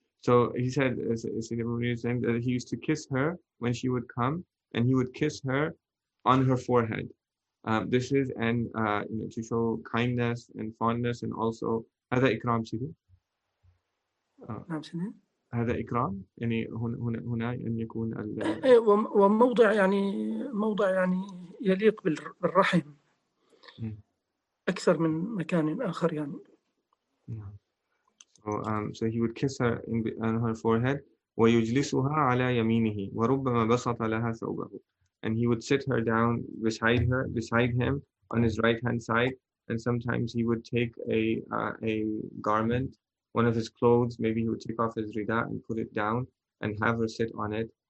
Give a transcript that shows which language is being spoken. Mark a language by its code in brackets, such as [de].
[en] So he said, Sayyid Ibn Munir is saying that he used to kiss her when she would come, and he would kiss her on her forehead. This is and you know, to show kindness and fondness, and also [ar] هذا إكرام سيدي. نعم سيدي. هذا إكرام يعني هنا هنا أن يكون ال. وموضع يعني موضع يعني يليق بالرحم أكثر من مكان آخر يعني. [en] So he would kiss her on her forehead [ar] ويجلسها على يمينه وربما بسط لها ثوبه. [en] And he would sit her down beside her, beside him, on his right hand side. And sometimes he would take a garment, one of his clothes. Maybe he would take off his rida and put it down and have her sit on it.